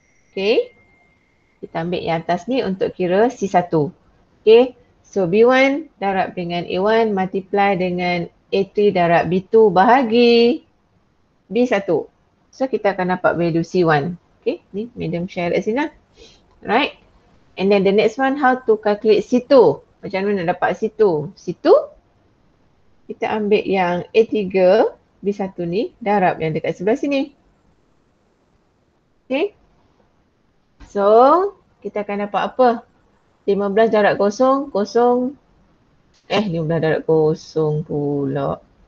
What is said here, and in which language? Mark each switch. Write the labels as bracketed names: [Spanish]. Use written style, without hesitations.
[English] Okay. [Malay] Kita ambil yang atas ni untuk kira C1. Okay. So B1 darab dengan A1 multiply dengan A3 darab B2 bahagi B1. So kita akan dapat value C1. Okay. Ni medium share kat sini lah. Right. [English] And then the next one, how to calculate C2. [Malay] Macam mana nak dapat C2? C2, kita ambil yang A3 B1 ni darab yang dekat sebelah sini. Okay. So, kita akan dapat apa? 15 darab kosong, kosong. 15 darab kosong pula.